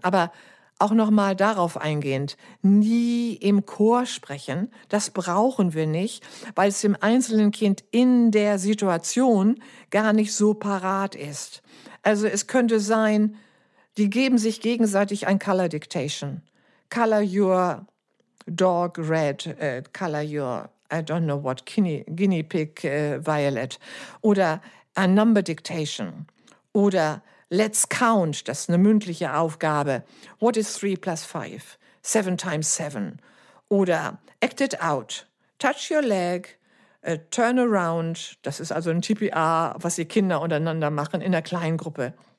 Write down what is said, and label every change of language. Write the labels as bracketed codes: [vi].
[de] Aber auch nochmal darauf eingehend, nie im Chor sprechen, das brauchen wir nicht, weil es dem einzelnen Kind in der Situation gar nicht so parat ist. Also es könnte sein, die geben sich gegenseitig ein Color Dictation. [en] Color your dog red, color your, I don't know what, guinea pig violet. [de] Oder [en] a number dictation. [de] Oder [en] let's count, [de] das ist eine mündliche Aufgabe. [en] What is 3 plus 5? 7 times 7. [de] Oder [en] act it out. Touch your leg. Turn around, [de] das ist also ein TPA, was die Kinder untereinander machen in der Kleingruppe.